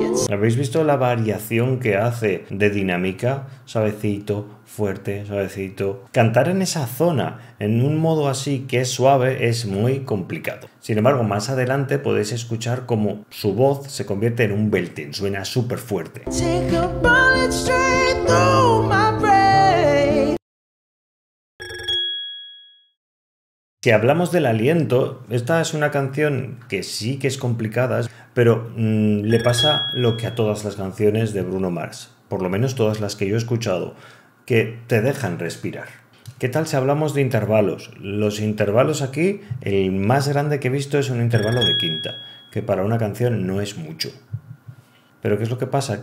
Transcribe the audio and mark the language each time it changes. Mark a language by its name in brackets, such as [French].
[Spanish] ¿Habéis visto la variación que hace de dinámica? Suavecito, fuerte, suavecito. Cantar en esa zona, en un modo así que es suave, es muy complicado. Sin embargo, más adelante podéis escuchar cómo su voz se convierte en un belting, suena súper fuerte. [English] Take a bullet straight through my brain. [Spanish] Si hablamos del aliento, esta es una canción que sí que es complicada, pero le pasa lo que a todas las canciones de Bruno Mars, por lo menos todas las que yo he escuchado, que te dejan respirar. ¿Qué tal si hablamos de intervalos? Los intervalos aquí, el más grande que he visto es un intervalo de quinta, que para una canción no es mucho. ¿Pero qué es lo que pasa?